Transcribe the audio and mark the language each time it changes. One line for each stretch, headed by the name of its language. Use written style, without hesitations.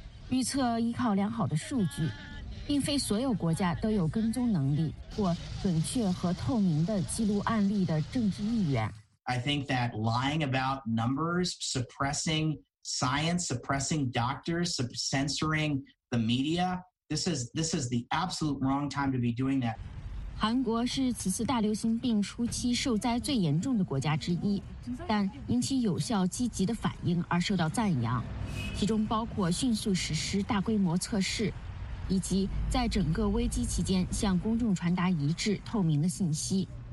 Chinese: 预测依靠良好的数据，并非所有国家都有跟踪能力或准确和透明的记录案例的政治意愿。
English: I think that lying about numbers, suppressing science, suppressing doctors, censoring the media, this is the absolute wrong time to be doing that.
Chinese: 韩国是此次大流行病初期受灾最严重的国家之一，但因其有效积极的反应而受到赞扬，其中包括迅速实施大规模测试，以及在整个危机期间向公众传达一致透明的信息。